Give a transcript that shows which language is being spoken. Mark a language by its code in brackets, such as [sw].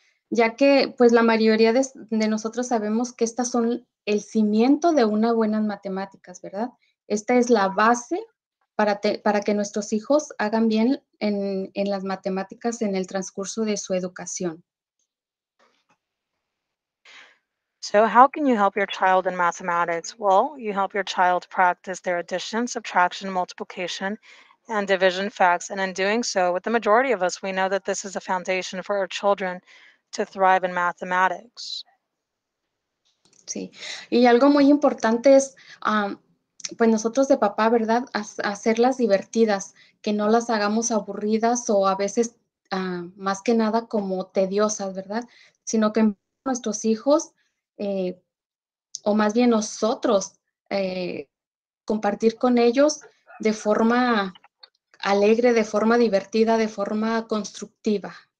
[es] Ya que, pues, la mayoría de nosotros sabemos que estas son el cimiento de unas buenas matemáticas, ¿verdad? Esta es la base para que nuestros hijos hagan bien en las matemáticas en el transcurso de su educación. [en] So how can you help your child in mathematics? Well, you help your child practice their addition, subtraction, multiplication, and division facts. And in doing so, with the majority of us, we know that this is a foundation for our children to thrive in mathematics. [es] Sí, y algo muy importante es, pues nosotros de papá, ¿verdad? Hacerlas divertidas, que no las hagamos aburridas o a veces más que nada como tediosas, ¿verdad? Sino que nuestros hijos, o más bien nosotros, compartir con ellos de forma alegre, de forma divertida, de forma constructiva.